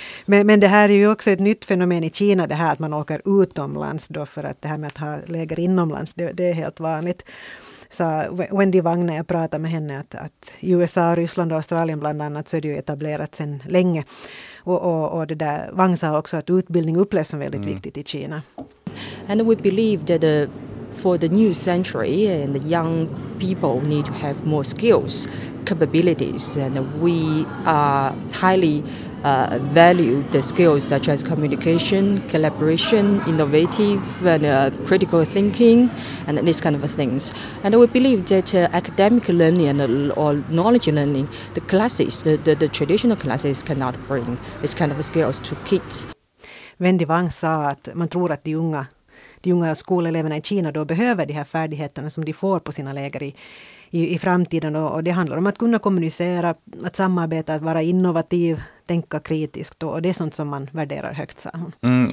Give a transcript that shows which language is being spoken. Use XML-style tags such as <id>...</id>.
<sv>Men det här är ju också ett nytt fenomen i Kina, det här att man åker utomlands då, för att det här med att ha läger inomlands, det är helt vanligt. Så Wendy Wang, när jag pratade med henne, att i USA, Ryssland och Australien bland annat, så är det ju etablerat sedan länge. Och det där, Wang sa också att utbildning upplevs som väldigt viktigt i Kina.</sv> <en>And we believe that for the new century, and the young people need to have more skills, capabilities, and we are highly value the skills such as communication, collaboration, innovative, and critical thinking, and these kind of things. And we believe that academic learning or knowledge learning, the classes, the traditional classes cannot bring this kind of skills to kids.</en> <sv>Wendy Wang sa att man tror att de unga skoleleverna i Kina då behöver de här färdigheterna som de får på sina läger i framtiden. Och det handlar om att kunna kommunicera, att samarbeta, att vara innovativ, tänka kritiskt. Och det är sånt som man värderar högt, sa hon.</sv>